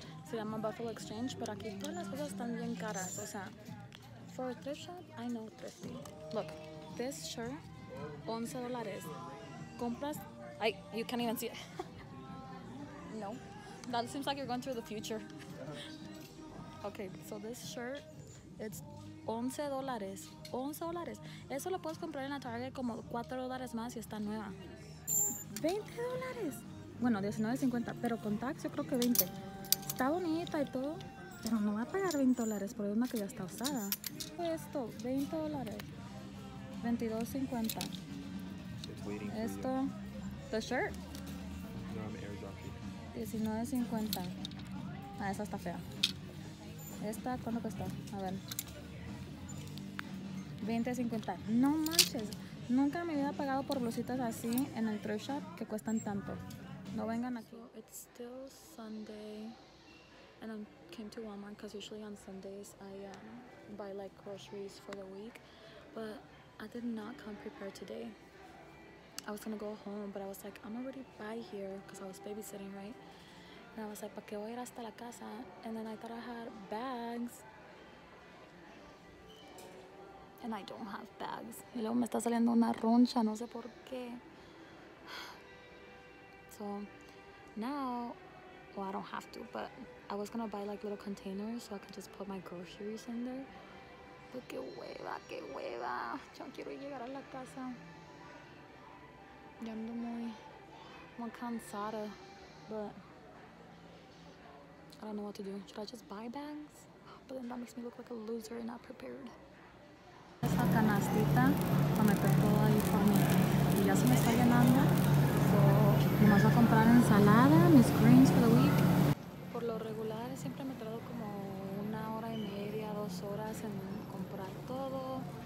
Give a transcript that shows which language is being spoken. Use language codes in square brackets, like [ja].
[es] Se llama Buffalo Exchange, pero aquí todas las cosas están bien caras. O sea, [en] for a thrift shop, I know thrifting. Look, this shirt, $11. [es] Compras, ay, [en] you can't even see it. No, that seems like you're going through the future. Okay, so this shirt, it's $11. $11. [es] Eso lo puedes comprar en la Target como $4 más y está nueva. $20. Bueno, $19.50, pero con tax yo creo que 20. Está bonita y todo, pero no va a pagar $20 por una que ya está usada. Esto, $20. $22.50. Esto, [en] the shirt. No, I'm airdropping. [es] $19.50. Ah, esa está fea. Esta, ¿cuánto cuesta? A ver. $20.50. No manches. Nunca en mi vida he pagado por blusitas así en el thrift shop que cuestan tanto. No vengan aquí. [en] So it's still Sunday and I came to Walmart because usually on Sundays I buy like groceries for the week, but I did not come prepared today. I was gonna go home, but I was like, I'm already by here because I was babysitting, right? And I was like, [es] ¿para qué voy a ir hasta la casa? [en] And then I thought I had bags and I don't have bags. [es] Y luego me está saliendo una roncha, no sé por qué. [en] So now, well, I don't have to, but I was gonna buy like little containers so I can just put my groceries in there. But [es] que hueva, que hueva. Yo quiero llegar a la casa. Yo ando muy, muy cansada, [en] but I don't know what to do. Should I just buy bags? But then that makes me look like a loser and not prepared. [es] Esa canastita para meter todo ahí para mí. Y ya se me está llenando. Vamos a comprar ensalada, mis [en] greens for the week. [es] Por lo regular siempre me tardo como una hora y media, dos horas en comprar todo.